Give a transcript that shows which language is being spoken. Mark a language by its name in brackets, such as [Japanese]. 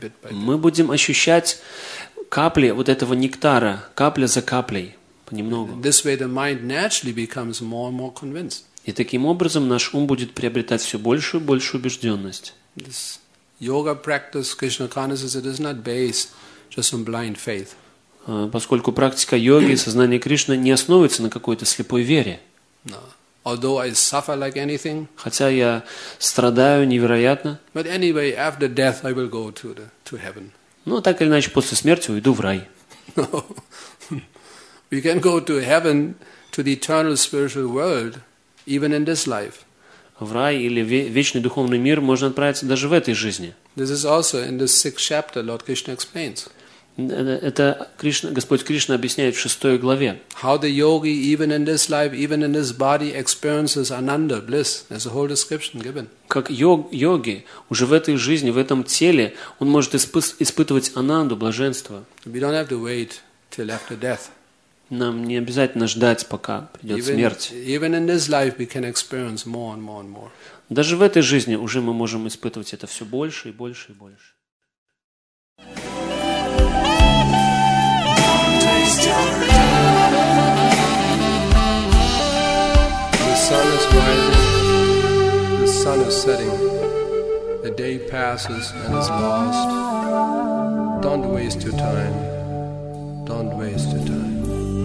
[Russian] мы будем ощущать капли вот этого нектара, капля за каплей, понемногу. [English] This way the mind naturally becomes more and more convinced. [Russian] И таким образом наш ум будет приобретать все больше и больше убежденность. [English] Yoga practice, Krishna consciousness, it is not based just on blind faith. [Russian] Поскольку практика йоги и сознание Кришны не основывается на какой-то слепой вере. [English] No. Although I suffer like anything. [Russian] Хотя я страдаю невероятно. [English] But anyway, after death I will go to heaven. [Russian] Но так или иначе после смерти уйду в рай. [English] No. We can go to heaven, to the eternal spiritual world. Even in this life, [Russian] в рай или вечный духовный мир можно отправиться даже в этой жизни. [English] This is also in the sixth chapter. Lord Krishna explains. [Russian] Это Кришна, Господь Кришна объясняет в шестой главе. [English] How the yogi even in this life, even in this body, experiences ananda bliss. There's a whole description given. [Russian] Как йоги уже в этой жизни, в этом теле, он может испытывать ананду, блаженство. [English] We don't have to wait till after death. [Russian] Нам не обязательно ждать, пока придет смерть. Даже в этой жизни уже мы можем испытывать это все больше и больше и больше. [English] The sun is rising, the sun is setting. The day passes and is lost. Don't waste your time. Don't waste your time.